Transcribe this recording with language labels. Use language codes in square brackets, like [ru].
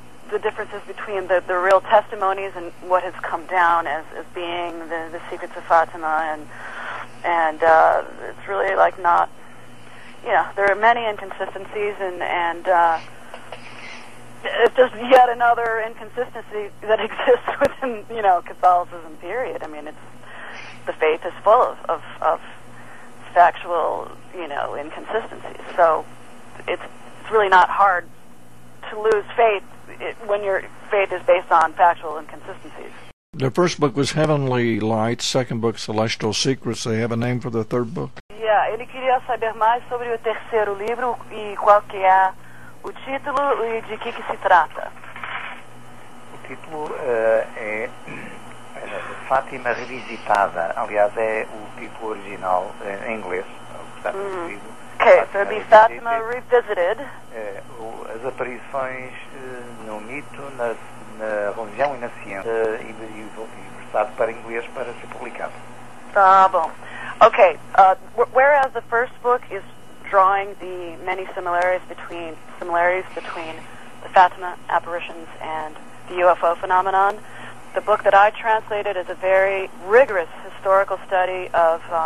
[en] the differences between the real testimonies and what has come down as being the secrets of Fatima, and it's really like not, you know, there are many inconsistencies and it's just yet another inconsistency that exists within, you know, Catholicism, period. I mean, it's, the faith is full of factual, you know, inconsistencies. So it's really not hard to lose faith when your faith is based on factual inconsistencies. The first book was Heavenly Light, second book Celestial Secrets. They have a name for the third book? [pt] Yeah, ele queria saber mais sobre o terceiro livro e qual que é o título e de que se trata. O título é Fátima Revisitada. Aliás, é o título original em inglês. [en] Okay, so it'd be Fatima Revisited. [pt] As aparições no mito, na religião e na ciência, e versado para inglês para ser publicado. Tá bom. [en] Okay, whereas the first book is drawing the many similarities between the Fatima apparitions and the UFO phenomenon, the book that I translated is a very rigorous historical study of